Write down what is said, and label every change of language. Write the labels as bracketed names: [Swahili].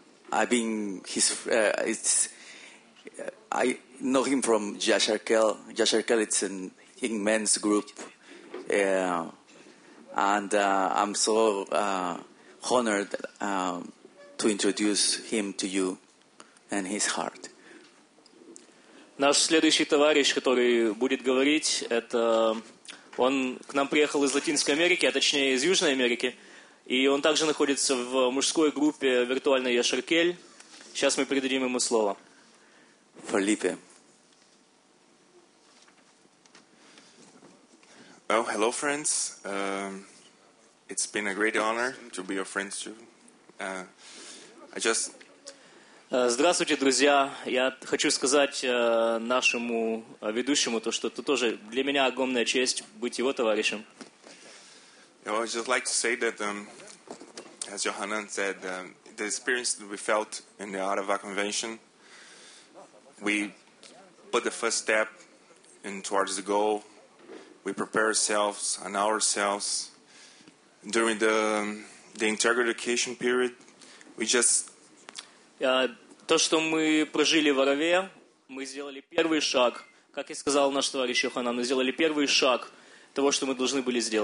[English] I know him from Jasharkel. Jasharkel, it's an immense group. I'm so honored to introduce him to you and his heart. [Russian] Наш следующий товарищ, который будет говорить, это... Он к нам приехал из Латинской Америки, а точнее из Южной Америки. И он также находится в мужской группе виртуальной Яшаркель. Сейчас мы передадим ему слово. [English] Felipe. Oh, hello, friends. It's been a great honor to be your friends too. [Russian] Здравствуйте, друзья. Я хочу сказать нашему ведущему то, что это тоже для меня огромная честь быть его товарищем. [English] You know, I would just like to say that, as Johanan said, the experience that we felt in the Ottawa Convention, we put the first step in towards the goal. We prepare ourselves and ourselves during the integrated education period. We just [Russian] То, что мы прожили в Орове, мы сделали первый шаг, как и сказал наш товарищ Йоханан, мы сделали первый шаг того, что мы должны были